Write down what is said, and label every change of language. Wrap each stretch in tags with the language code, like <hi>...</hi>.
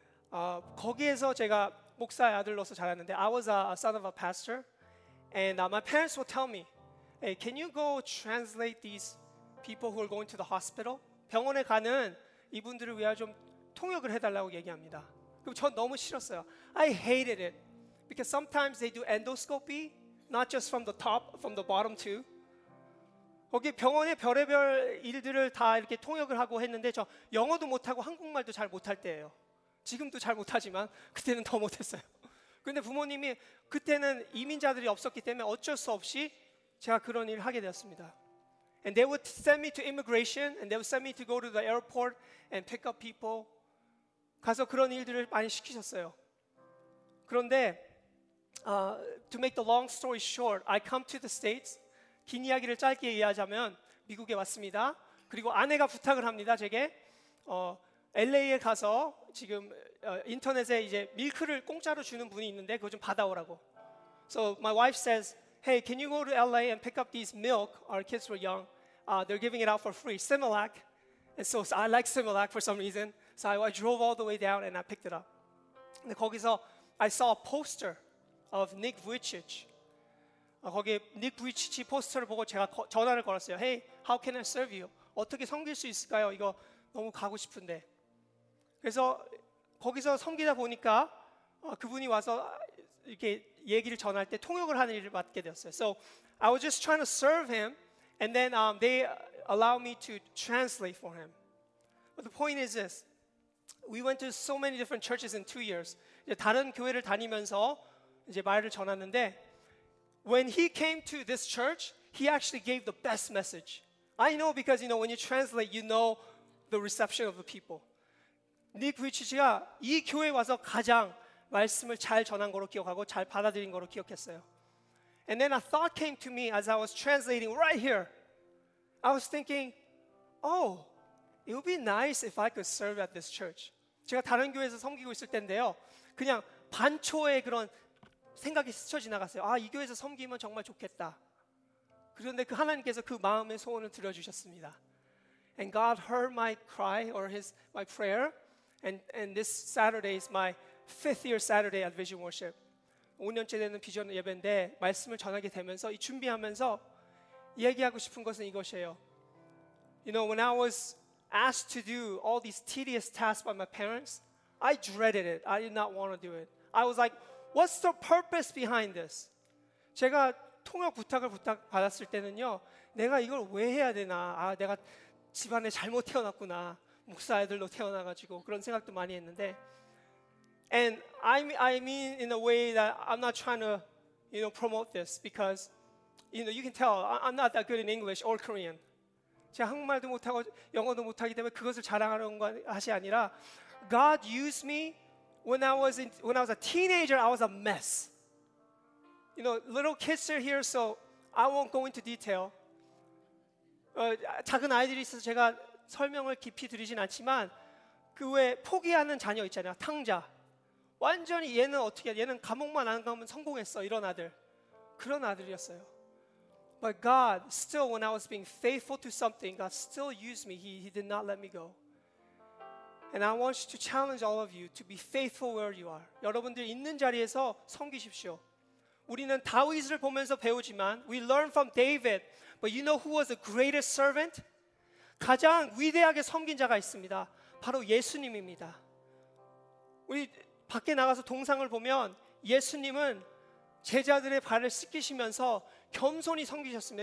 <ko>거기에서 제가 목사의 아들로서 자랐는데,</ko> <en>I was a son of a pastor, and my parents would tell me, "Hey, can you go translate these people who are going to the hospital?"</en> <ko>병원에 가는 이분들을 위해 좀 통역을 해달라고 얘기합니다. 그럼 전 너무 싫었어요.</ko> <en>I hated it. Because sometimes they do endoscopy, not just from the top, from the bottom too.</en> <ko>거기 병원에 별의별 일들을 다 이렇게 통역을 하고 했는데 저 영어도 못하고 한국말도 잘 못할 때예요. 지금도 잘 못하지만 그때는 더 못했어요. 근데 부모님이 그때는 이민자들이 없었기 때문에 어쩔 수 없이 제가 그런 일을 하게 되었습니다.</ko> <en>And they would send me to immigration, and they would send me to go to the airport and pick up people.</en> <ko>가서 그런 일들을 많이 시키셨어요. 그런데</ko> <en>to make the long story short, I come to the States.</en> <ko>긴 이야기를 짧게 이해하자면 미국에 왔습니다. 그리고 아내가 부탁을 합니다. 제게 LA에 가서 지금 인터넷에 이제 밀크를 공짜로 주는 분이 있는데 그거 좀 받아오라고.</ko> <en>So my wife says, "Hey, can you go to LA and pick up these milk? Our kids were young. They're giving it out for free. Similac." And so I like Similac for some reason. So I drove all the way down and I picked it up.</en> <ko>근데 거기서</ko> <en>I saw a poster of Nick Vujicic.</en> <ko>거기에 Nick Vujicic 포스터를 보고 제가 전화를 걸었어요.</ko> <en>Hey, how can I serve you?</en> <ko>어떻게 섬길 수 있을까요? 이거 너무 가고 싶은데. 그래서 거기서 섬기다 보니까 그분이 와서 이렇게 얘기를 전할 때 통역을 하는 일을 맡게 되었어요.</ko> <en>So I was just trying to serve him and then they allowed me to translate for him. But the point is this. We went to so many different churches in 2 years.</en> <ko>다른 교회를 다니면서 이제 말을 전하는데</ko> <en>when he came to this church, he actually gave the best message. I know because you know when you translate, you know the reception of the people.</en> <ko>닉 위치치가 이 교회 와서 가장 말씀을 잘 전한 거로 기억하고 잘 받아들인 거로 기억했어요.</ko> <en>And then a thought came to me as I was translating right here. I was thinking, oh, it would be nice if I could serve at this church.</en> <ko>제가 다른 교회에서 섬기고 있을 때인데요. 그냥 반초의 그런 생각이 스쳐 지나갔어요. 아, 이 교회에서 섬기면 정말 좋겠다. 그런데 그 하나님께서 그 마음의 소원을 들어주셨습니다.</ko> <en>And God heard my cry or my prayer. And this Saturday is my fifth year Saturday at Vision Worship.</en> <ko>5년째 되는 비전 예배인데 말씀을 전하게 되면서 이 준비하면서 얘기하고 싶은 것은 이것이에요.</ko> <en>You know, when I was asked to do all these tedious tasks by my parents, I dreaded it. I did not want to do it. I was like, what's the purpose behind this?</en> <ko>제가 통역 부탁을 받았을 때는요, 내가 이걸 왜 해야 되나? 아, 내가 집안에 잘못 태어났구나. 목사 아이들로 태어나가지고 그런 생각도 많이 했는데.</ko> <en>And I mean in a way that I'm not trying to, you know, promote this because, you know, you can tell I'm not that good in English or Korean.</en> <ko>제가 한국말도 못하고 영어도 못하기 때문에 그것을 자랑하는 것이 아니라</ko> <en>God used me when I was a teenager, I was a mess. You know, little kids are here, so I won't go into detail.</en> <ko>작은 아이들이 있어서 제가 설명을 깊이 드리진 않지만 그 외에 포기하는 자녀 있잖아요, 탕자. 완전히 얘는 어떻게, 얘는 감옥만 안 가면 성공했어, 이런 아들. 그런 아들이었어요.</ko> <en>But God, still when I was being faithful to something, God still used me. He did not let me go. And I want you to challenge all of you to be faithful where you are.</en> <ko>여러분들 있는 자리에서 섬기십시오. 우리는 다윗을 보면서 배우지만</ko> <en>we learn from David. But you know who was the greatest servant?</en> <ko>가장 위대하게 섬긴 자가 있습니다. 바로 예수님입니다. 우리 밖에 나가서 동상을 보면 예수님은 제자들의 발을 씻기시면서 겸손히 섬기셨습니다.</ko>